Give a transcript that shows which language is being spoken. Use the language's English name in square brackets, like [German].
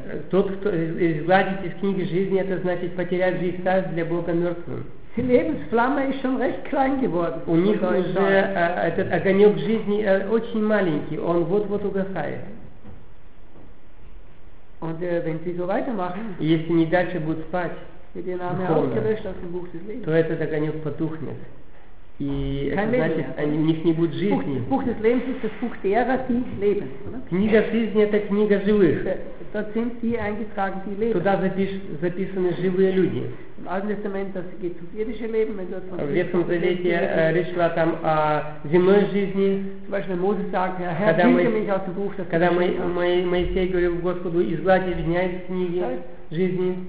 [Russian] Тот, кто изгладит из книги жизни, это значит потерять жизнь, стать для Бога мертвым. [German] Die Lebensflamme ist schon recht klein geworden. [Russian] У них уже этот огонек жизни очень маленький, он вот-вот угасает. [German] Und wenn sie so weitermachen, [Russian] если не дальше будут спать, духовно, то этот огонек потухнет. И значит, они, у них не будет жизни. [German] Buch des Lebens ist das Buch derer, die leben, oder? [Russian] Книга жизни — это книга живых. [German] Dort sind die eingetragen, die leben. [Russian] Туда записаны живые люди. [German] Im Alten Testament, das geht ums irdische Leben, wenn dort von [Russian] в Ветхом Завете речь шла там о земной жизни. [German] Zum Beispiel Moses sagt, Herr, bitte mich aus dem Buch, das [Russian] когда Моисей говорил Господу, изгладь меня из книги жизни.